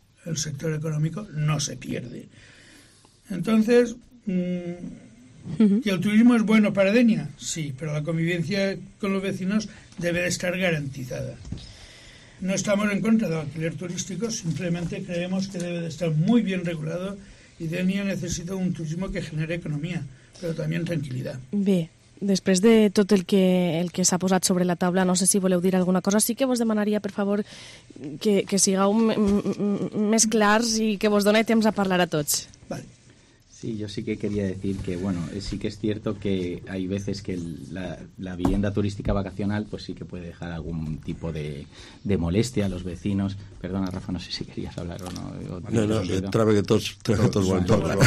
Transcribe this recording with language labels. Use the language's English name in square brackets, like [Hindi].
[Spanish] El sector económico no se pierde. Entonces, ¿que el turismo es bueno para Denia? Sí, pero la convivencia con los vecinos debe de estar garantizada. No estamos en contra del alquiler turístico, simplemente creemos que debe de estar muy bien regulado y Denia necesita un turismo que genere economía, pero también tranquilidad. [Catalan] Bé, després de tot el que s'ha posat sobre la taula, no sé si voleu dir alguna cosa. Sí que vos demanaria, per favor, que sigueu més clars i que vos doni temps a parlar a tots. [Spanish] Vale. Sí, yo sí que quería decir que, bueno, sí que es cierto que hay veces que la vivienda turística vacacional pues sí que puede dejar algún tipo de molestia a los vecinos. Perdona, Rafa, no sé si querías hablar o no. No, trabequetos guantos.